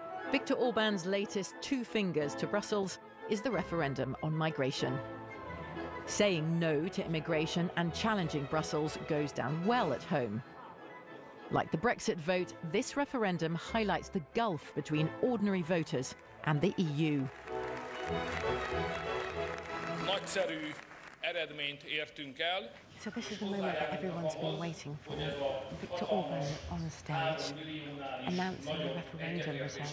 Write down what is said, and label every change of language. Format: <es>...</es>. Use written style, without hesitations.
<en>Viktor Orbán's latest two fingers to Brussels is the referendum on migration. Saying no to immigration and challenging Brussels goes down well at home. Like the Brexit vote, this referendum highlights the gulf between ordinary voters and the EU.</en> <hu>Nagyszerű eredményt értünk el.</hu> <en>So this is the moment that everyone's been waiting for. Viktor Orbán on stage announcing the referendum result.</en>